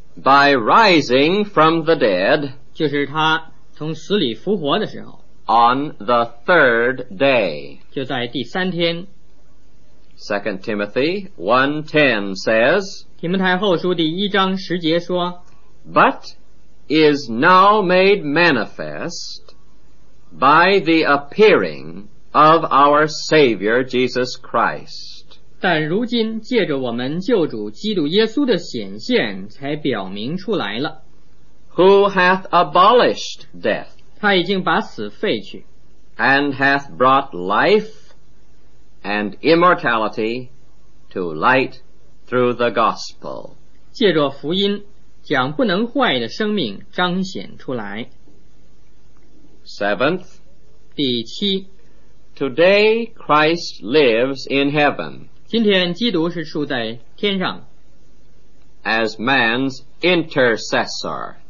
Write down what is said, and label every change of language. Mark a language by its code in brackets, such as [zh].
[en] By rising from the dead, [zh] 就是他从死里复活的时候。 [en] On the third day, [zh] 就在第三天。 [en] 2 Timothy 1:10 says, [zh] 提摩太后书第一章十节说， [en] But is now made manifest by the appearing of our Savior Jesus Christ. [zh] 但如今借着我们救主基督耶稣的显现才表明出来了。 [en] Who hath abolished death? [zh] 他已经把死废去。 [en] And hath brought life and immortality to light through the gospel. [zh] 借着福音将不能坏的生命彰显出来。 [en] Seventh, [zh] 第七 [en] Today Christ lives in heaven. [zh] 今天基督是住在天上。 [en] As man's intercessor.